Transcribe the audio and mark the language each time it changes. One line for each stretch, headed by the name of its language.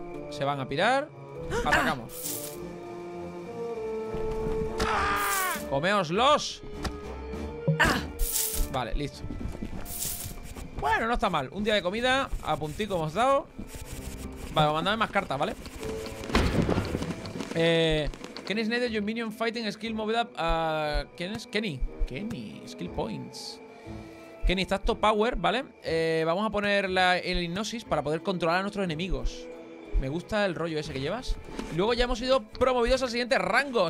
Spanish: Se van a pirar. Atacamos. ¡Comeoslos! Vale, listo. Bueno, no está mal. Un día de comida, a puntico hemos dado. Vale, mandadme más cartas, ¿vale?
English: Kenny Snyder, your minion fighting skill moved up.
Spanish: ¿Quién es? Kenny. Kenny, skill points. Kenny, estás
English: top power,
Spanish: ¿vale? Vamos a poner el hipnosis para poder controlar a nuestros enemigos. Me gusta el rollo ese que llevas. Luego ya hemos sido promovidos al siguiente rango.